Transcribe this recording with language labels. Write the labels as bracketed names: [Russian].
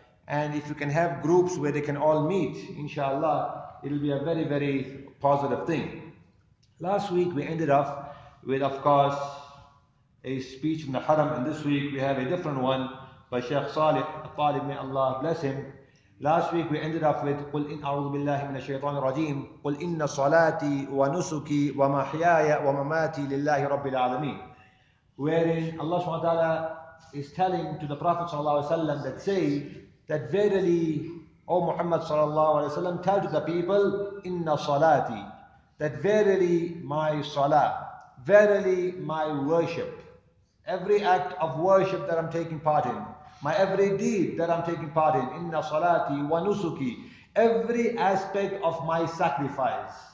[English] And if you can have groups where they can all meet, inshallah, it'll be a very, very positive thing. Last week, we ended off with, of course, a speech in the Haram, and this week, we have a different one by Sheikh Saleh Talib, may Allah bless him. Last week we ended up with [Arabic] قُلْ إِنْ أَعُوذُ بِاللَّهِ مِنَ الشَّيْطَانِ الرَّجِيمِ قُلْ إِنَّ صَلَاتِي وَنُسُكِي وَمَحْيَايَ وَمَمَاتِي لِلَّهِ رَبِّ الْعَالَمِينَ. [English] Wherein Allah SWT is telling to the Prophet ﷺ that say that verily, O Muhammad ﷺ, tell to the people [Arabic] إِنَّ صَلَاتِي, [English] that verily my salah, verily my worship, every act of worship that I'm taking part in, my every deed that I'm taking part in, [Arabic] inna salati wa nusuki, [English] every aspect of my sacrifice.